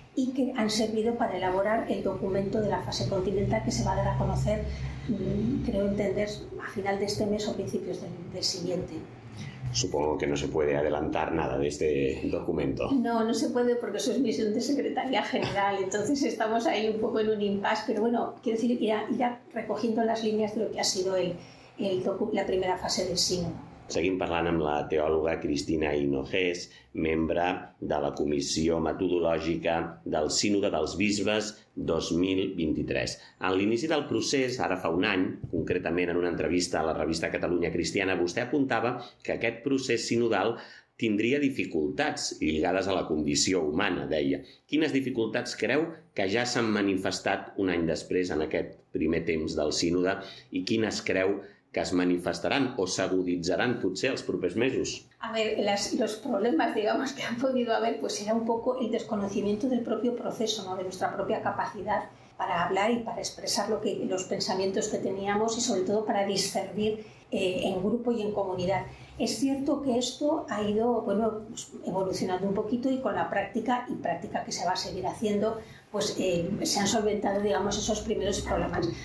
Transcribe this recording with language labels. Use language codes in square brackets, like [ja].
[es] y que han servido para elaborar el documento de la fase continental que se va a dar a conocer, creo entender, a final de este mes o principios del siguiente. Supongo que no se puede adelantar nada de este documento. No, no se puede porque eso es misión de secretaría general, entonces estamos ahí un poco en un impasse, pero bueno, quiero decir, irá recogiendo las líneas de lo que ha sido la primera fase del sínodo. [ca] Seguim parlant amb la teòloga Cristina Hinojés, membre de la Comissió Metodològica del Sínode dels Bisbes 2023. En l'inici del procés, ara fa un any, concretament en una entrevista a la revista Catalunya Cristiana, vostè apuntava que aquest procés sinodal tindria dificultats lligades a la condició humana, deia. Quines dificultats creu que ja s'han manifestat un any després en aquest primer temps del sínode i quines creu que es [es] manifestarán o se agudizarán, [ca] potser, els propers mesos? [es] A ver, los problemas, digamos, que han podido haber, pues era un poco el desconocimiento del propio proceso, ¿no? De nuestra propia capacidad para hablar y para expresar los pensamientos que teníamos y, sobre todo, para discernir en grupo y en comunidad. Es cierto que esto ha ido, bueno, pues evolucionando un poquito y con la práctica, y práctica que se va a seguir haciendo, pues se han solventado, digamos, esos primeros problemas.